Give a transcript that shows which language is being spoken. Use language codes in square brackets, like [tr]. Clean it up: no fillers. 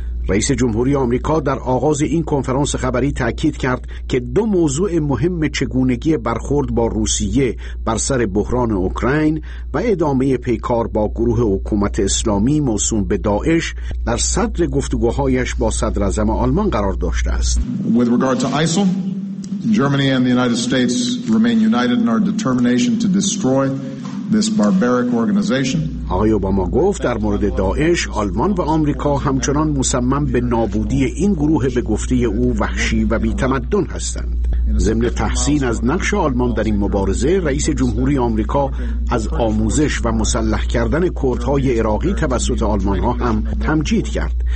[fa] رئیس جمهوری آمریکا در آغاز این کنفرانس خبری تأکید کرد که دو موضوع مهم چگونگی برخورد با روسیه بر سر بحران اوکراین و ادامه پیکار با گروه حکومت اسلامی موسوم به داعش در صدر گفتگوهایش با صدر اعظم آلمان قرار داشته است. [en] Germany and the United States remain united in our determination to destroy this barbaric organization. [fa] آقای اوباما گفت در مورد داعش آلمان و آمریکا همچنان مصمم به نابودی این گروه به گفته او وحشی و بی‌تمدن هستند. ضمن تحسین از نقش آلمان در این مبارزه، رئیس جمهوری آمریکا از آموزش و مسلح کردن کردهای عراقی توسط آلمان ها هم تمجید کرد.